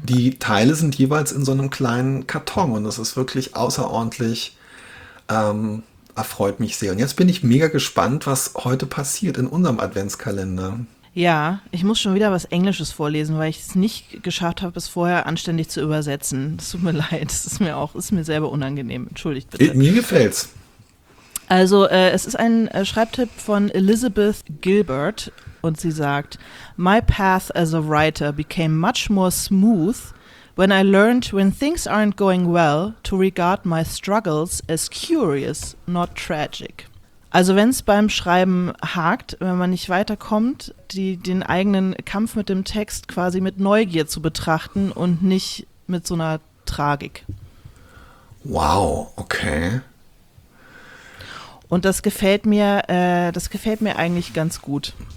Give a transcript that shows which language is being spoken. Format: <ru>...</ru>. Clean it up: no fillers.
<de>Die Teile sind jeweils in so einem kleinen Karton und das ist wirklich außerordentlich, erfreut mich sehr. Und jetzt bin ich mega gespannt, was heute passiert in unserem Adventskalender. Ja, ich muss schon wieder was Englisches vorlesen, weil ich es nicht geschafft habe, es vorher anständig zu übersetzen. Es tut mir leid, es ist mir auch, ist mir selber unangenehm. Entschuldigt bitte. Mir gefällt's. Also, es ist ein Schreibtipp von Elizabeth Gilbert. Und sie sagt,</de> <en>my path as a writer became much more smooth when I learned when things aren't going well to regard my struggles as curious, not tragic.</en> <de>Also wenn es beim Schreiben hakt, wenn man nicht weiterkommt, den eigenen Kampf mit dem Text quasi mit Neugier zu betrachten und nicht mit so einer Tragik. Wow, okay. Und das gefällt mir eigentlich ganz gut.</de>